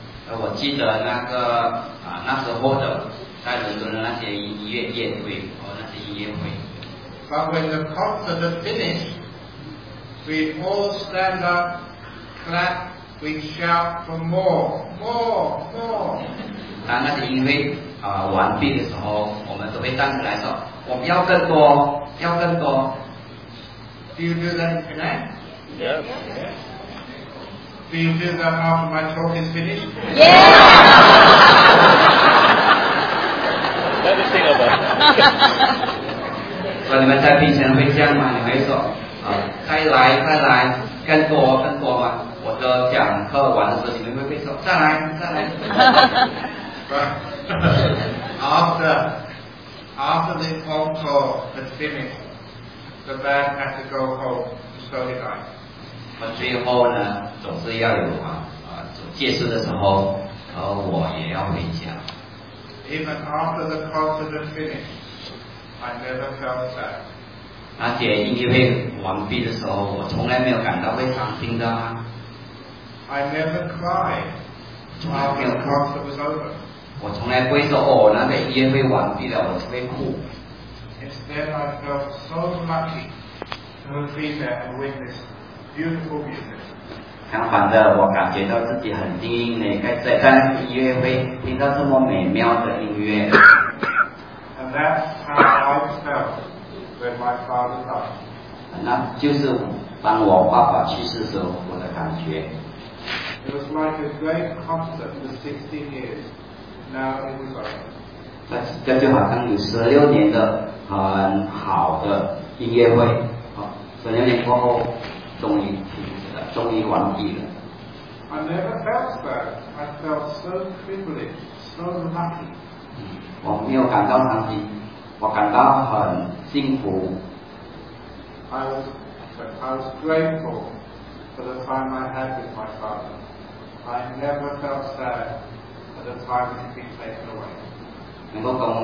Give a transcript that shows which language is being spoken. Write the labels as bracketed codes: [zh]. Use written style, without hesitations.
[zh] 我记得那个那时候的在伦敦的那些音乐宴会和那些音乐会。 [en] But when the concert had finished, we'd all stand up, clap, we'd shout for more, more, more. [zh] 当那些音乐完毕的时候，我们都会站起来说：“我们要更多，要更多。” [en] Do you do that in Penang? Yes. Do you feel that after my talk is finished? Yeah! Let me think about that. [zh] 所以你们在平常会这样吗？你会说，再来，更多吗？我的讲课完的时候，你们会说，再来。 [en] after this whole talk has finished, the band has to go home to study life. [zh] 我最后呢，总是要有结束的时候，然后我也要回家。 [en] Even after the concert is finished, I never felt sad. [zh] 而且音乐会完毕的时候，我从来没有感到会伤心的。 [en] I never cried. [zh] 从来没有 [en] concert was over. [zh] 我从来不会说哦，那个音乐会完毕了，我就会哭。 [en] Instead, I felt so lucky to have been there and witnessed. beautiful music. [zh] 相反的，我感觉到自己很幸运，每个在音乐会听到这么美妙的音乐。 [en] And that's how I felt when my father died. [zh] 那就是当我爸爸去世时候我的感觉。 [en] It was like a great concert for 16 years. Now it was over. [zh] 这就好像有16年的很好的音乐会，16年过后终于完毕了。 [en] I never felt that. I felt so privileged, so lucky. [zh] 我没有感到伤心，我感到很幸福。 [en] I was grateful for the time I had with my father. I never felt sad for the time he'd been taken away.